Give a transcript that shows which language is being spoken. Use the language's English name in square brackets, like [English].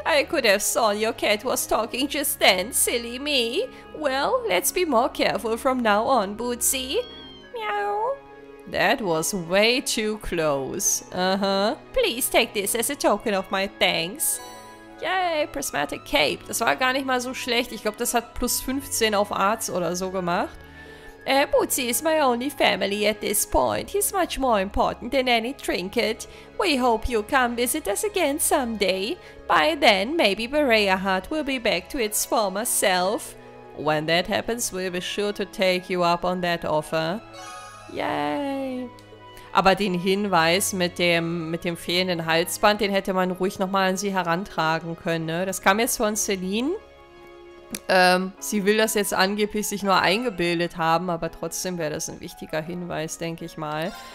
[English] I could have sworn your cat was talking just then, silly me. Well, let's be more careful from now on, Bootsy. Meow. That was way too close. Please take this as a token of my thanks. [German] Yay, prismatic cape. Das war gar nicht mal so schlecht. Ich glaube, das hat plus 15 auf Arts oder so gemacht. [English] Bootsy is my only family at this point. He's much more important than any trinket. We hope you'll come visit us again someday. By then, maybe Berea Heart will be back to its former self. When that happens, we'll be sure to take you up on that offer. Yay! [German] Aber den Hinweis mit dem fehlenden Halsband, den hätte man ruhig nochmal an sie herantragen können, ne? Das kam jetzt von Celine. Sie will das jetzt angeblich sich nur eingebildet haben, aber trotzdem wäre das ein wichtiger Hinweis, denke ich mal.